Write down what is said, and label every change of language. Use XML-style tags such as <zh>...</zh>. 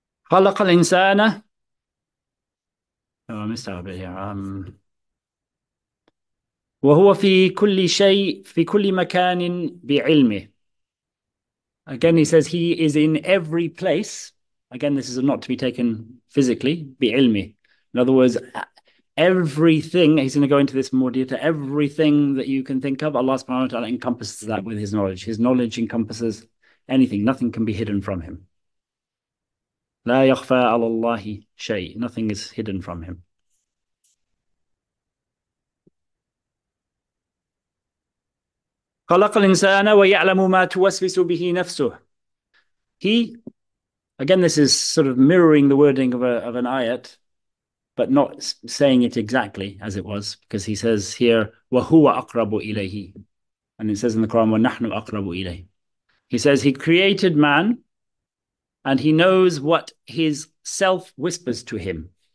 <ar>Khalaqal insana.</ar> <en>Oh, I missed out a bit here.</en> <ar>وهو في كل شيء في كل مكان بعلمه.</ar> <en>Again, he says he is in every place. Again, this is not to be taken physically.</en> <ar>بعلمه.</ar> <en>In other words, everything, he's going to go into this more detail, everything that you can think of, Allah subhanahu wa ta'ala encompasses that with his knowledge. His knowledge encompasses anything. Nothing can be hidden from him.</en> <ar>لا يخفى على الله شيء.</ar> <en>Nothing is hidden from him.</en> <ar>خلق الإنسان ويعلم ما توسوس به نفسه.</ar> <en>He, again, this is sort of mirroring the wording of an ayat, but not saying it exactly as it was, because he says here</en> <ar>وهو أقرب إليه,</ar> <en>and it says in the Quran</en> <ar>ونحن أقرب إليه.</ar> <en>He says he created man, and he knows what his self whispers to him.</en>